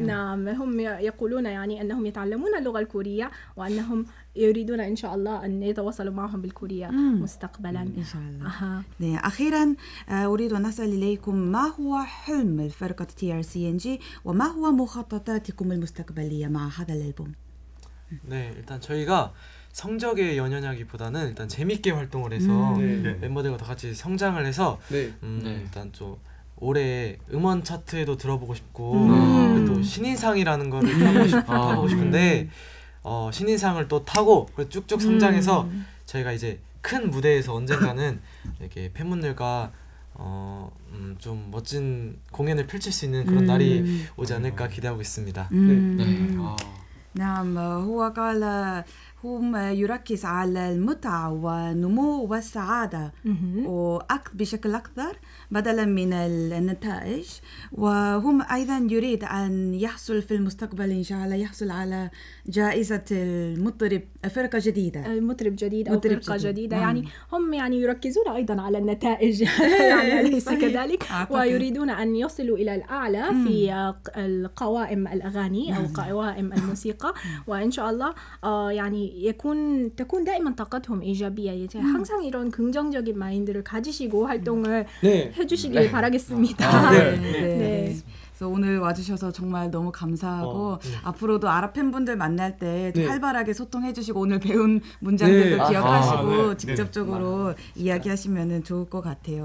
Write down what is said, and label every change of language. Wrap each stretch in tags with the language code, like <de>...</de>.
<ar>نعم هم يقولون يعني أنهم يتعلمون اللغة الكورية وأنهم يريدون إن شاء الله أن يتواصلوا معهم بالكورية مستقبلاً إن شاء الله نعم أخيراً أريد أن أسأل إليكم ما هو حلم الفرقة TRCNG وما هو مخططاتكم المستقبلية مع هذا الألبوم؟</ar> <ko>نعم، 일단 저희가 성적에 연연하기보다는 일단 재밌게 활동을 해서 네. 멤버들과 다 같이 성장을 해서 네. 네. 일단 좀 올해 음원 차트에도 들어보고 싶고 또 신인상이라는 걸 하고 싶은데 신인상을 또 타고 쭉쭉 성장해서 저희가 이제 큰 무대에서 언젠가는 이렇게 팬분들과 좀 멋진 공연을 펼칠 수 있는 그런 날이 오지 않을까 기대하고 있습니다. 네. 네. 네. 네. 네. 네. 네.</ko> <ar>هم يركز على المتعة ونمو والسعادة بشكل أكثر بدلا من النتائج وهم أيضا يريد أن يحصل في المستقبل إن شاء الله يحصل على جائزة المطرب فرقة جديدة المطرب جديد أو فرقة جديدة يعني هم يعني يركزون أيضا على النتائج ليس كذلك ويريدون أن يصلوا إلى الأعلى في القوائم الأغاني أو قوائم الموسيقى وإن شاء الله يعني تكون دائما طاقتهم إيجابية.</ar> <ko>이제 항상 이런 긍정적인 마인드를 가지시고 활동을 네. 해주시길 네. 바라겠습니다. 아, 네. 네. 네. 그래서 오늘 와주셔서 정말 너무 감사하고 네. 앞으로도 아랍 팬분들 만날 때 네. 활발하게 소통해주시고 오늘 배운 문장들도 네. 기억하시고 네. 직접적으로 네. 이야기하시면은 좋을 것 같아요.</ko>